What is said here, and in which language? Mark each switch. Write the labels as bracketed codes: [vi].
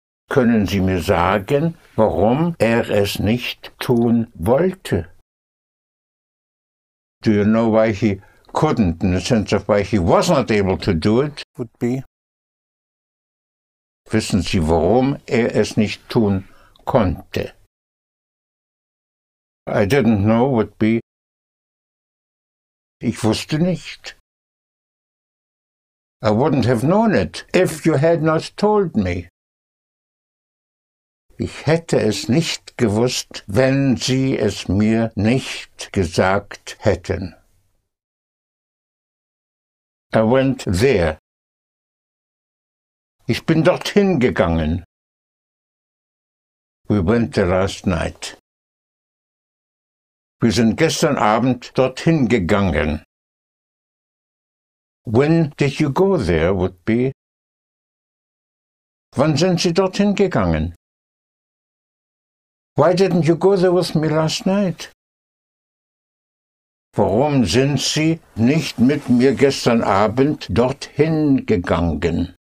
[de] Können Sie mir sagen, warum es nicht tun wollte? [en] Do you know why he couldn't, in the sense of why he was not able to do it, would be? [de] Wissen Sie, warum es nicht tun konnte? [en] I didn't know, would be. [de] Ich wusste nicht. [en] I wouldn't have known it, if you had not told me. [de] Ich hätte es nicht gewusst, wenn Sie es mir nicht gesagt hätten. [en] I went there. [de] Ich bin dorthin gegangen. [en] We went there last night. [de] Wir sind gestern Abend dorthin gegangen. [en] When did you go there, would be? [de] Wann sind Sie dorthin gegangen? [en] Why didn't you go there with me last night? [de] Warum sind Sie nicht mit mir gestern Abend dorthin gegangen?